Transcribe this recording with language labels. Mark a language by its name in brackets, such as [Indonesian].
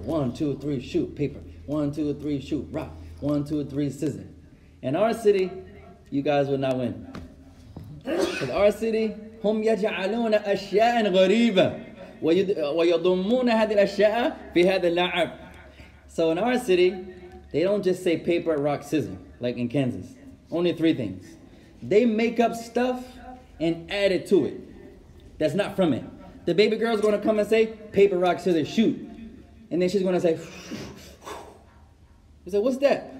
[English] One, two, three, shoot, paper. One, two, three, shoot, rock. One, two, three, scissors. In our city, you guys would not win. In our city, [Arabic] هم يجعلون أشياء غريبة ويضمون هذه الأشياء في هذا اللعب. [English] So in our city, they don't just say paper, rock, scissors, like in Kansas. Only three things. They make up stuff and add it to it. That's not from it. The baby girl's going to come and say, paper, rock, scissors, shoot. And then she's going to say, he said, what's that?